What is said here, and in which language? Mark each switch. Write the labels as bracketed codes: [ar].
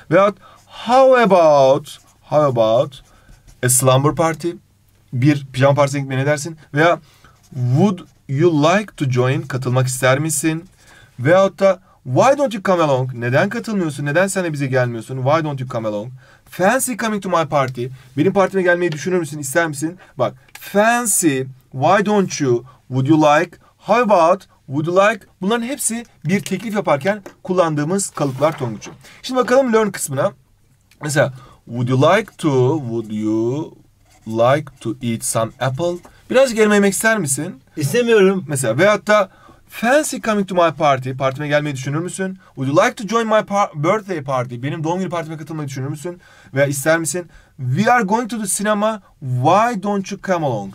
[tr] Veyahut [en] how about a slumber party? [tr] Bir pijama partisine gitmeye ne dersin? Veya [en] would you like to join, [tr] katılmak ister misin? Veyahut da [en] why don't you come along, [tr] neden katılmıyorsun, neden sen de bize gelmiyorsun, [en] why don't you come along? Fancy coming to my party, [tr] benim partime gelmeyi düşünür müsün, ister misin? [en] Bak, fancy, why don't you, would you like, how about, would you like? [tr] Bunların hepsi bir teklif yaparken kullandığımız kalıplar Tonguç'um. Şimdi bakalım learn kısmına. [en] Mesela would you like to, would you like to eat some apple? [tr] Birazcık elma yemek ister misin? İstemiyorum. Mesela veyahut da [en] fancy coming to my party, [tr] partime gelmeyi düşünür müsün? [en] Would you like to join my birthday party? [tr] Benim doğum günü partime katılmayı düşünür müsün? Veya ister misin? [en] We are going to the cinema, why don't you come along?